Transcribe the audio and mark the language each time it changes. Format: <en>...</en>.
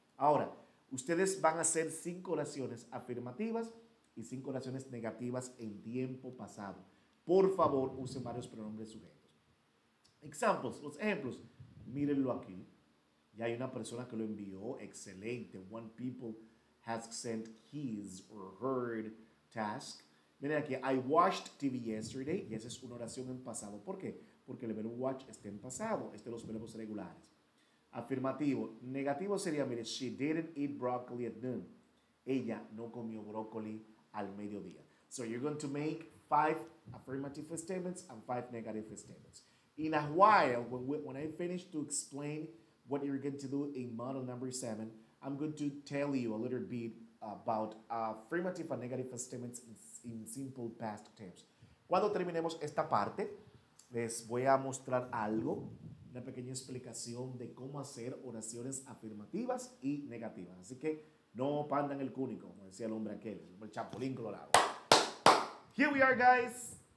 <es>Ahora, ustedes van a hacer 5 oraciones afirmativas y 5 oraciones negativas en tiempo pasado. Por favor, usen varios pronombres sujetos. Examples, los ejemplos, mírenlo aquí. Ya hay una persona que lo envió, excelente.</es> <en>One people has sent his or her task.</en> <es>Miren aquí,</es> <en>I watched TV yesterday.</en> <es>Y esa es una oración en pasado. ¿Por qué? Porque el verbo watch está en pasado. Este es los verbos regulares. Afirmativo, negativo sería, mire,</es> <en>she didn't eat broccoli at noon.</en> <es>Ella no comió brócoli al mediodía.</es> <en>So you're going to make 5 affirmative statements and 5 negative statements. In a while, when I finish to explain what you're going to do in model number 7, I'm going to tell you a little bit about affirmative and negative statements in simple past tense.</en> <es>Cuando terminemos esta parte, les voy a mostrar algo, una pequeña explicación de cómo hacer oraciones afirmativas y negativas. Así que no pandan el cúnico, como decía el hombre aquel, el chapulín colorado.</es> <en>Here we are, guys.</en>